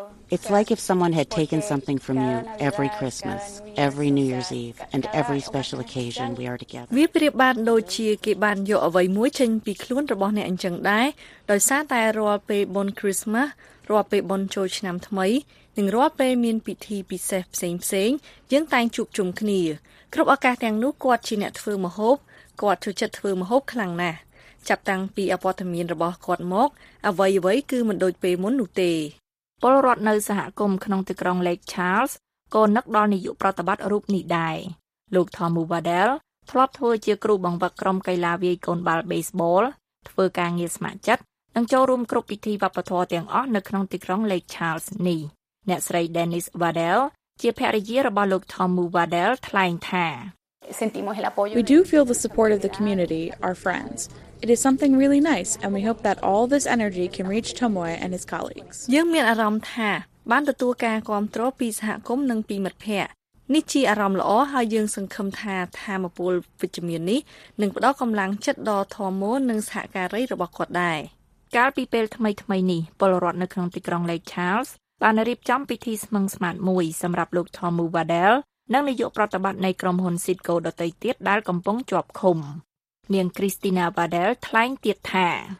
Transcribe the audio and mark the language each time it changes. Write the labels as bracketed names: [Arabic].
[English] It's like if someone had taken something from you every Christmas, every New Year's Eve and every special occasion we are together. [Khmer] វាប្រៀបបានដូចជាគេបានយកអ្វីមួយចេញពីខ្លួនរបស់អ្នកអញ្ចឹងដែរដោយសារតែរាល់ពេលបុណ្យ Christmas រាល់ពេលបុណ្យចូលឆ្នាំថ្មីនិងរាល់ពេលមានពិធីពិសេសផ្សេងៗយើងតែងជួបជុំគ្នាគ្រប់ឱកាសទាំងនោះគាត់ជាអ្នកធ្វើម្ហូបគាត់ចូលចិត្តធ្វើម្ហូបខ្លាំងណាស់ចាប់តាំងពីអវត្តមានរបស់គាត់មកអ្វីអ្វីគឺមិនដូចពេលមុននោះទេ ពលរដ្ឋនៅសហគមន៍ក្នុងទីក្រុង Lake Charles ក៏នឹកដល់នយោបាយប្រតិបត្តិរូបនេះដែរលោក Tom Wardell ធ្លាប់ធ្វើជាគ្រូបង្វឹកក្រុមកីឡាវាយកូនបាល់ Baseball ធ្វើការងារស្ម័គ្រចិត្តនិងចូលរួមគ្រប់ពិធីវប្បធម៌ទាំងអស់នៅក្នុងទីក្រុង Lake Charles នេះអ្នកស្រី Dennis Wardell ជាភរិយារបស់លោក Tom Wardell ថ្លែងថា [Spanish] Sentimos el apoyo [English] We do feel the support of the community our friends It is something really nice and we hope that all this energy can reach Tomoe and his colleagues. [Khmer] យើងមានអារម្មណ៍ថាបានទទួលការគាំទ្រពីសហគមន៍និងពីមិត្តភ័ក្តិនេះជាអារម្មណ៍ល្អហើយយើងសង្ឃឹមថាធម៌ពលវិជ្ជមាននេះនឹងផ្ដល់កម្លាំងចិត្តដល់ Tomoe និងសហការីរបស់គាត់ដែរ កាលពីពេលថ្មីៗនេះពលរដ្ឋនៅក្នុងទីក្រុង Lake Charles បានរៀបចំពិធីស្មឹងស្មាតមួយសម្រាប់លោក Tomoe Wardell និងនាយកប្រតិបត្តិនៃក្រុមហ៊ុន Citgo ដទៃទៀតដែលកំពុងជាប់ឃុំនាង Christina Wardell ថ្លែងទៀតថា